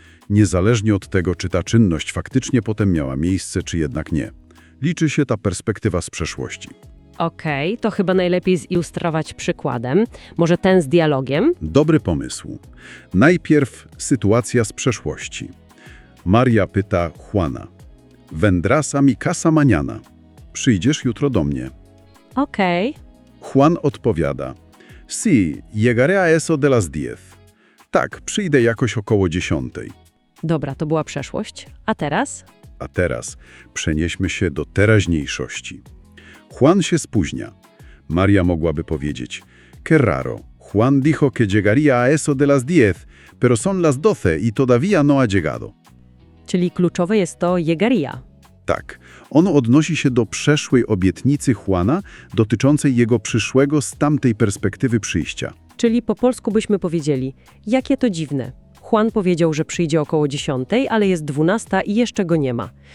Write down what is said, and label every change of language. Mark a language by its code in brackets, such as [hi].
[pl] Niezależnie od tego, czy ta czynność faktycznie potem miała miejsce, czy jednak nie. Liczy się ta perspektywa z przeszłości. Okej, to chyba najlepiej zilustrować przykładem. Może ten z dialogiem? Dobry pomysł. Najpierw sytuacja z przeszłości. Maria pyta Juana. [es] Vendrasa mi casa mañana. [pl] Przyjdziesz jutro do mnie. Okej. Juan odpowiada. [es] Sí, llegaré a eso de las 10. [pl] Tak, przyjdę jakoś około 10. Dobra, to była przeszłość. A teraz? A teraz przenieśmy się do teraźniejszości. Juan się spóźnia. Maria mogłaby powiedzieć. [es] Qué raro. Juan dijo que llegaría a eso de las 10, pero son las 12 y todavía no ha llegado. [pl] Czyli kluczowe jest to llegaría. Tak. Ono odnosi się do przeszłej obietnicy Juana dotyczącej jego przyszłego z tamtej perspektywy przyjścia. Czyli po polsku byśmy powiedzieli, jakie to dziwne. Juan powiedział, że przyjdzie około 10, ale jest 12 i jeszcze go nie ma.